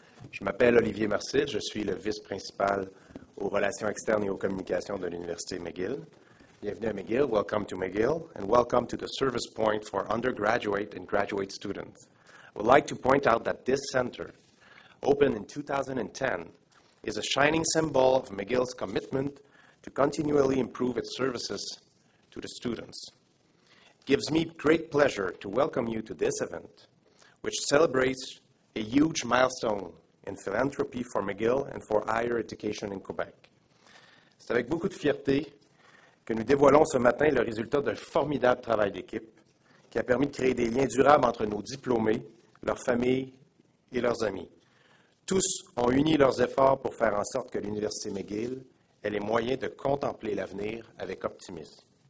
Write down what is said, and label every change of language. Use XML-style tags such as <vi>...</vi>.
<fr>Je m'appelle Olivier Marcet, je suis le vice-principal aux relations externes et aux communications de l'Université McGill. Bienvenue à McGill,</fr> <en>welcome to McGill, and welcome to the Service Point for undergraduate and graduate students. I would like to point out that this center, opened in 2010, is a shining symbol of McGill's commitment to continually improve its services to the students. It gives me great pleasure to welcome you to this event, which celebrates a huge milestone in philanthropy for McGill and for higher education in Quebec.</en> <fr>C'est avec beaucoup de fierté que nous dévoilons ce matin le résultat d'un formidable travail d'équipe qui a permis de créer des liens durables entre nos diplômés, leurs familles et leurs amis. Tous ont uni leurs efforts pour faire en sorte que l'Université McGill ait les moyens de contempler l'avenir avec optimisme.</fr>